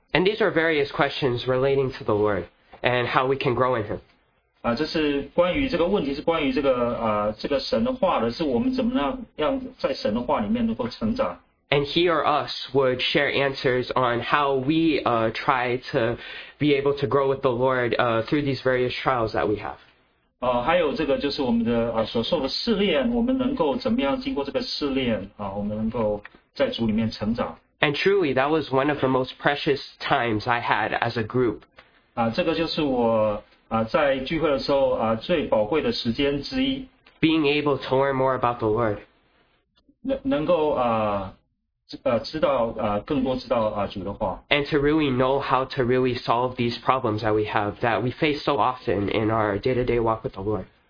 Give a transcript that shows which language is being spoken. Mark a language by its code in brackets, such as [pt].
[en] And these are various questions relating to the Lord and how we can grow in Him. [zh] 这是关于这个问题，是关于这个神的话的，是我们怎么样在神的话里面能够成长。 [en] And he or us would share answers on how we try to be able to grow with the Lord through these various trials that we have. [zh] 还有这个就是我们的所受的试炼，我们能够怎么样经过这个试炼，我们能够在主里面成长。 [en] And truly, that was one of the most precious times I had as a group. [zh] 这个就是我在聚会的时候最宝贵的时间之一。 [en] Being able to learn more about the Lord. [zh] 能够知道更多知道主的话。 [en] And to really know how to really solve these problems that we have, that we face so often in our day-to-day walk with the Lord.